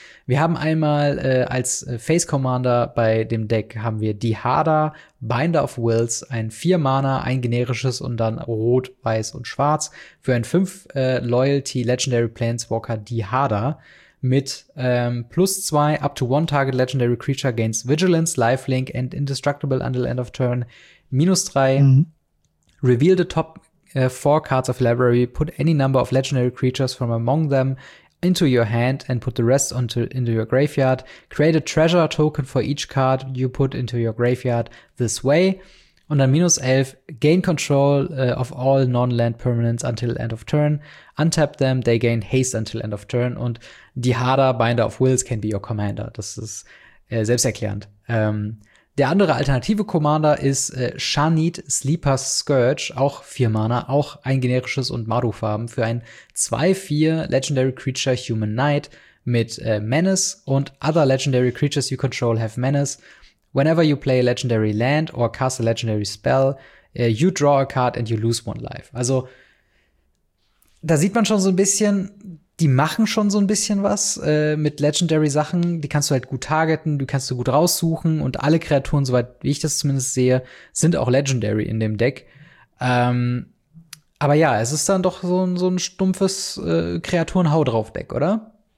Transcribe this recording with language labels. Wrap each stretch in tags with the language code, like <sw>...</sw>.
<de>Wir haben einmal als Face Commander bei dem Deck haben wir die Harder, Binder of Wills, ein 4-Mana, ein generisches und dann Rot, Weiß und Schwarz für ein 5 Loyalty Legendary Planeswalker die Harder mit plus 2</de> <en>up to 1 target Legendary Creature gains Vigilance, Lifelink and Indestructible until end of turn,</en> <de>minus 3.</de> <en>Reveal the top 4 cards of library, put any number of legendary creatures from among them into your hand and put the rest into your graveyard. Create a treasure token for each card you put into your graveyard this way.</en> <de>Und dann minus</de> <en>11, gain control of all non-land permanents until end of turn. Untap them, they gain haste until end of turn. Und die Harder Binder of Wills can be your commander. Das ist selbsterklärend. Der andere alternative Commander ist Shanid Sleeper's Scourge, auch 4 Mana, auch ein generisches und Maru-Farben für ein 2-4 Legendary Creature Human Knight mit Menace und other Legendary Creatures you control have Menace. Whenever you play a Legendary Land or cast a Legendary Spell, you draw a card and you lose one life.</en> <de>Also, da sieht man schon so ein bisschen, die machen schon so ein bisschen was mit Legendary-Sachen. Die kannst du halt gut targeten, die kannst du gut raussuchen. Und alle Kreaturen, soweit wie ich das zumindest sehe, sind auch Legendary in dem Deck. Aber ja, es ist dann doch so ein stumpfes Kreaturen-Hau-drauf-Deck, oder?</de>